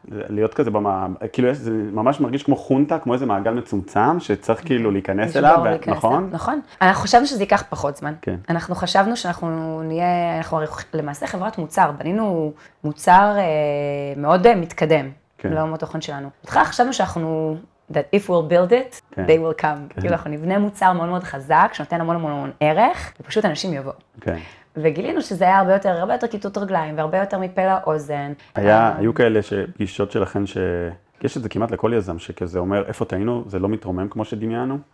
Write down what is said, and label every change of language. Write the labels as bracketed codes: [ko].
[he] להיות כזה במה, כאילו זה ממש מרגיש כמו חונטה, כמו איזה מעגל מצומצם, שצריך כאילו... כאילו להיכנס אליו, נכון? נכון. אנחנו חשבנו שזה ייקח פחות זמן. כן. אנחנו חשבנו שאנחנו נהיה, אנחנו למעשה חברת מוצר, בנינו מוצר מאוד מתקדם, כן. לעולם התוכן שלנו. בתחילה חשבנו שאנחנו, [en] that if we'll build it, [he] כן. [en] they will come. כן. [he] כאילו אנחנו נבנה מוצר מאוד מאוד חזק, שנותן המון המון המון ערך, ופשוט אנשים יבואו. כן. וגילינו שזה היה הרבה יותר, הרבה יותר כיתות רגליים, והרבה יותר מפה לאוזן. היה, היו כאלה שפגישות שלכן ש... יש את זה כמעט לכל יזם שכזה אומר, איפה טעינו, זה לא מתרומם כמו שדמיינו.